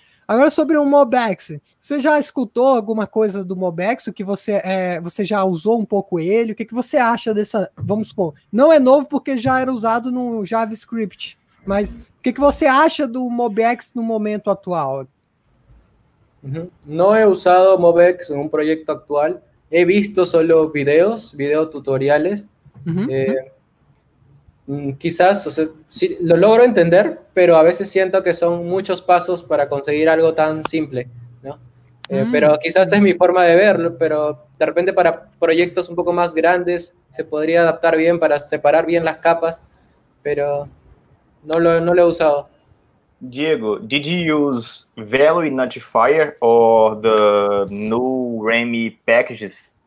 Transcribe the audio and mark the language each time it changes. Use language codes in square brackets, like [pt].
[pt] Agora, sobre o MobX, você já escutou alguma coisa do MobX que você já usou um pouco ele? O que você acha dessa? Vamos supor, não é novo porque já era usado no JavaScript, mas o que você acha do MobX no momento atual? [es] No he usado MobX en un proyecto actual, he visto solo video tutoriales. Quizás, o sea, sí, lo logro entender, pero a veces siento que son muchos pasos para conseguir algo tan simple, ¿no? Pero quizás es mi forma de verlo, pero de repente para proyectos un poco más grandes se podría adaptar bien para separar bien las capas, pero no lo he usado. [en] Diego, did you use value notifier or the new Remy packages?